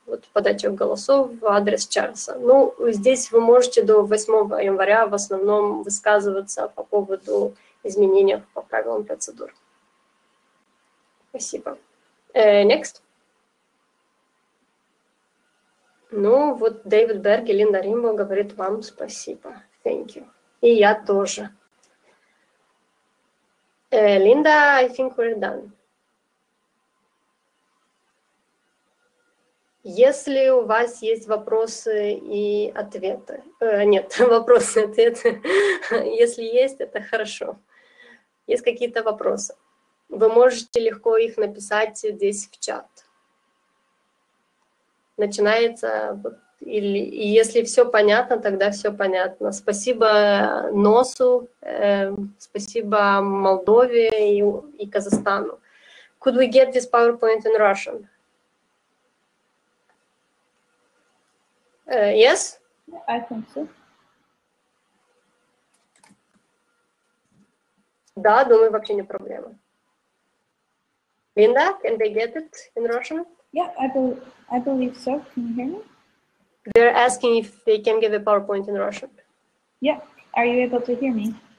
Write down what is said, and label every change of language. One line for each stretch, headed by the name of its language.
Russian: Вот подача голосов в адрес Чарльза. Ну, здесь вы можете до 8 января в основном высказываться по поводу изменений по правилам процедур. Спасибо. Next. Ну, вот Дэвид Берг и Линда Римбо говорит вам спасибо.
English: Thank you.
Russian: И я тоже.
English: Линда, I think we're done.
Russian: Если у вас есть вопросы и ответы. Нет, вопросы и ответы. Если есть, это хорошо. Есть какие-то вопросы? Вы можете легко их написать здесь в чат. Начинается, или если все понятно, тогда все понятно. Спасибо НОСУ, спасибо Молдове и Казахстану.
English: Could we get this PowerPoint in Russian? Yes? I think so.
Russian: Да, думаю, вообще не проблема.
English: Linda, can they get it in Russian? Yeah, I believe so. Can you hear me? They're asking if they can give a PowerPoint in Russian. Yeah, are you able to hear me?